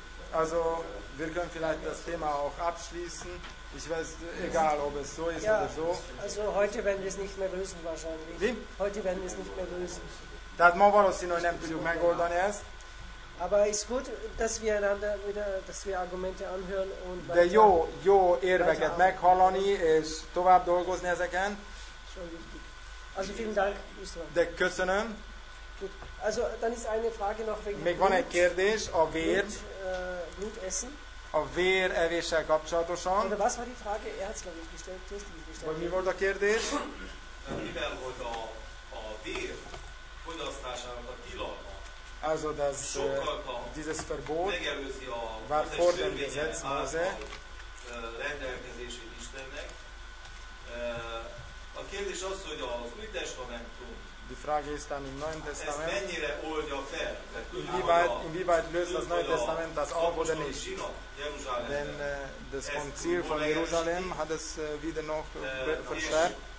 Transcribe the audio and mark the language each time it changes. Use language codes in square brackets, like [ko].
[de] Also, wir können vielleicht das Thema auch abschließen. Ich weiß, egal, ob es so ist oder so. Also, heute werden wir es nicht mehr lösen wahrscheinlich. Wie? Heute werden wir es nicht mehr lösen. [hu] Tehát ma valószínű, hogy nem tudjuk megoldani ezt. [de] Aber es ist gut, dass wir einander wieder, dass wir Argumente anhören und [hu] de jó, jó érveket meghallani és tovább dolgozni ezeken. [de] Also vielen Dank. [hu] De köszönöm. [de] Gut. Also dann ist eine Frage noch wegen [hu] még van egy kérdés a vér. [de] Blut essen. [hu] A vér evéssel kapcsolatosan. [de] Oder was war die Frage? Er hat es glaube ich gestellt. [hu] Vagy mi volt a kérdés? Mivel volt a vér fogyasztásának a tilalma? [de] Also das dieses Verbot war vor dem Gesetz Mose [hu] rendelkezési Istennek. A kérdés az, hogy az Új Testamentum. [de] Die Frage ist dann im Neuen Testament. [hu] Ezt mennyire oldja fel? [de] Inwieweit löst das Neue Testament das auf oder nicht? Denn das Konzil von Jerusalem hat es wieder noch verstärkt.